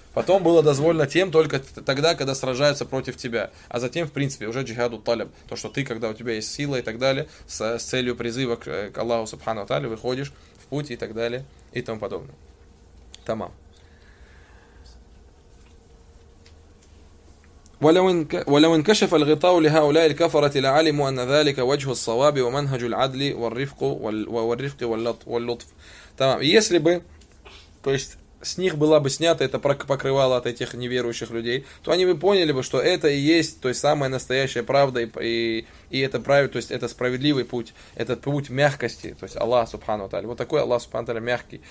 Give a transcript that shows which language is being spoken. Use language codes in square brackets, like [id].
[ru] Потом было дозволено тем только тогда, когда сражаются против тебя. А затем, в принципе, уже джихаду талиб. То, что ты, когда у тебя есть сила и так далее, с целью призыва к Аллаху Субхану Тааля, выходишь в путь и так далее, и тому подобное. Тамам. [ar] ولو انكشف الغطاء لهؤلاء الكفرة لعلموا أن ذلك وجه الصواب ومنهج العدل والرفق والرفق واللطف. [ru] Тамам. Если бы, то есть, с них была бы снята эта покрывала от этих неверующих людей, то они бы поняли бы, что это и есть то есть самая настоящая правда, и это правильно, то есть это справедливый путь, этот путь мягкости, то есть Аллах Субхану Тааля. Вот такой Аллах Субхану Тааля мягкий.